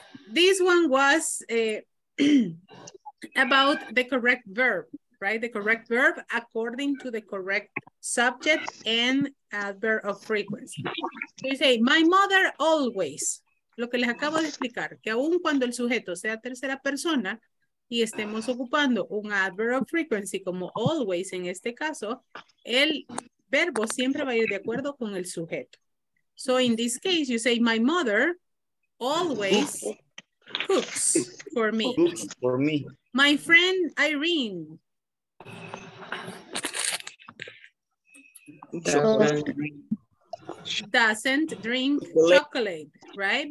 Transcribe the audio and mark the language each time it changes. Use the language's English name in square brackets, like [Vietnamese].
[English] This one was about the correct verb, right? The correct verb according to the correct subject and adverb of frequency. You say, my mother always. [Spanish] Lo que les acabo de explicar, que aun cuando el sujeto sea tercera persona y estemos ocupando un adverb of frequency como always en este caso, el verbo siempre va a ir de acuerdo con el sujeto. [English] So in this case, you say, my mother always cooks for me. Cooks for me. My friend Irene. Doesn't drink chocolate, right?